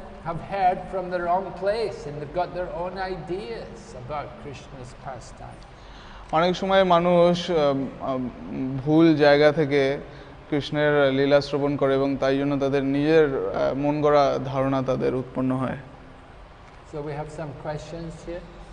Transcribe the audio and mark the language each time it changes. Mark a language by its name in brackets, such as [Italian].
[English] Have heard from the wrong place and they've got their own ideas about Krishna's pastime. [Bangla] অনেক সময় মানুষ ভুল জায়গা থেকে কৃষ্ণের লীলা শ্রবণ করে এবং তাই জন্য তাদের নিজের মন গড়া ধারণা তাদের উৎপন্ন হয়। [English] So we have some questions here.